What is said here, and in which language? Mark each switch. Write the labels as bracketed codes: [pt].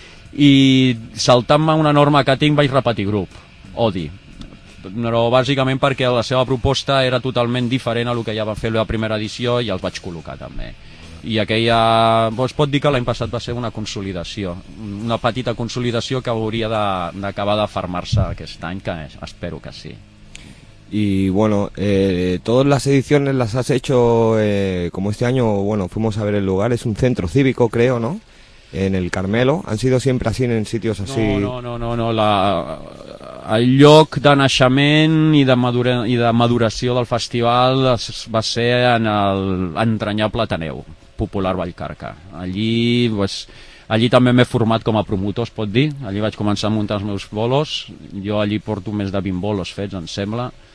[ca] I saltant-me una norma que tinc vaig repetir grup, Odi, però bàsicament perquè la seva proposta era totalment diferent a el que ja va fer la primera edició i els vaig col·locar també. I aquella, es pot dir que l'any passat va ser una consolidació, una petita consolidació que hauria d'acabar de farmar-se aquest any, que espero que sí. [es] Y bueno, todas las ediciones las has hecho, como este año, bueno, fuimos a ver el lugar, es un centro cívico, creo, ¿no? En el Carmelo, han sido siempre así en sitios así. [ca] No, el lloc de naixement i de maduració del festival va ser en el entranyable Ateneu Popular Vallcarca. Allí també m'he format com a promotor, es pot dir. Allí vaig començar a muntar els meus bolos. Jo allí porto més de 20 bolos fets, em sembla.